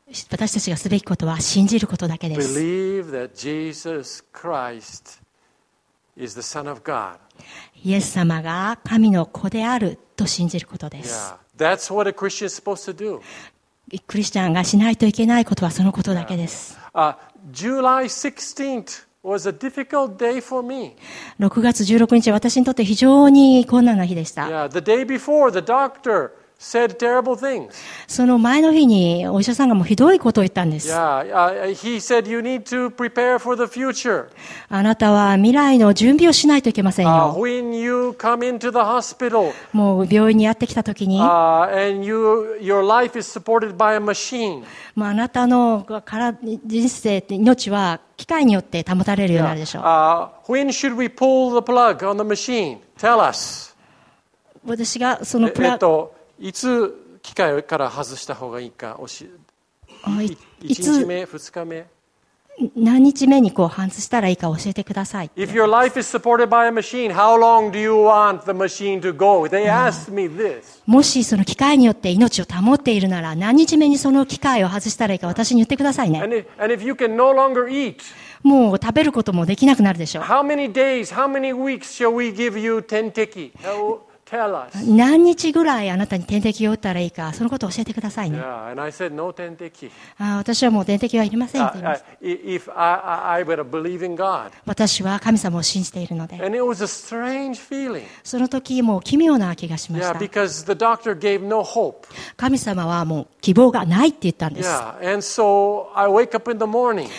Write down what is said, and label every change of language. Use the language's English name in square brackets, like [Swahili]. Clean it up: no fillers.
[Japanese] 私たちがすべきことは信じることだけです。 [English] Believe that Jesus Christ is the Son of God. [Japanese] イエス様が神の子であると信じることです。 [English] Yeah. That's what a Christian is supposed to do. [Japanese] クリスチャンがしないといけないことはそのことだけです。 [English] Yeah. July 16th was a difficult day for me. [Japanese] 6月16日は私にとって非常に困難な日でした。 [English] Yeah. The day before, the doctor said terrible things. [Japanese] その前の日にお医者さんがもうひどいことを言ったんです。 [English] Yeah. He said you need to prepare for the future. [Japanese] あなたは未来の準備をしないといけませんよ。 [English] When you come into the hospital, [Japanese] もう病院にやってきたときに、 [English] and your life is supported by a machine. [Japanese] もうあなたの人生、命は機械によって保たれるようになるでしょう。 [English] Yeah. When should we pull the plug on the machine? Tell us. [Japanese] 私がそのプラグ、いつ機械から外した方がいいか教え、1日目、2日目、何日目にこう外したらいいか教えてください。 [English] If your life is supported by a machine, how long do you want the machine to go? They asked me this. [Japanese] もしその機械によって命を保っているなら、何日目にその機械を外したらいいか私に言ってくださいね。 [English] And if you can no longer eat, [Japanese] もう食べることもできなくなるでしょう。 [English] How many days, how many weeks shall we give you 10 tiki? [Japanese] 何日ぐらいあなたに点滴を打ったらいいか、そのことを教えてくださいね。 [English] Yeah, and I said, no, 点滴。 [Japanese] 私はもう点滴はいりませんと言いました。 [English] If I were believing God. [Japanese] 私は神様を信じているので。 [English] And it was a strange feeling. [Japanese] その時もう奇妙な気がしました。 [English] Yeah, because the doctor gave no hope. [Japanese] 神様はもう希望がないって言ったんです。 [English] Yeah, and so I wake up in the morning.